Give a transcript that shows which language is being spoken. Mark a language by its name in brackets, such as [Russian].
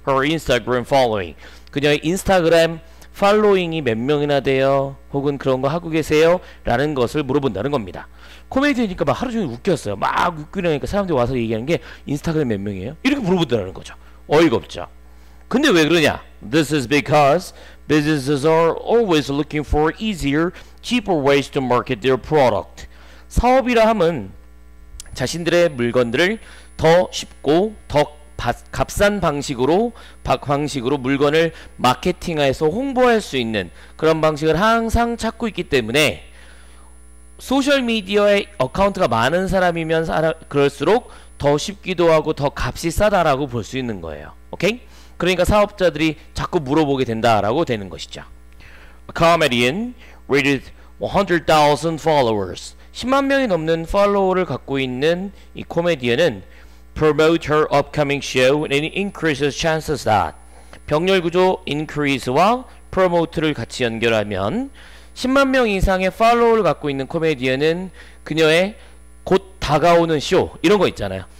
[English] her Instagram following, [Korean] 그녀의 인스타그램 팔로잉이 몇 명이나 돼요? 혹은 그런 거 하고 계세요? 라는 것을 물어본다는 겁니다. 코미디니까 막 하루 종일 웃겼어요. 막 웃기려니까 사람들이 와서 얘기하는 게 인스타그램 몇 명이에요? 이렇게 물어본다는 거죠. 어이가 없죠. 근데 왜 그러냐? [English] This is because Businesses are always looking for easier, cheaper ways to market their product. [Korean] 사업이라 함은 자신들의 물건들을 더 쉽고 더 값싼 방식으로 물건을 마케팅해서 홍보할 수 있는 그런 방식을 항상 찾고 있기 때문에 소셜미디어에 어카운트가 많은 사람이면 그럴수록 더 쉽기도 하고 더 값이 싸다라고 볼 수 있는 거예요. 오케이? 그러니까 사업자들이 자꾸 물어보게 된다라고 되는 것이죠. [English] A comedian with 100,000 followers. [Korean] 10만 명이 넘는 팔로워를 갖고 있는 이 코미디언은 [English] promote her upcoming show and increases chances that [Korean] 병렬 구조 increase와 promote를 같이 연결하면 10만 명 이상의 팔로워를 갖고 있는 코미디언은 그녀의 곧 다가오는 쇼 이런 거 있잖아요.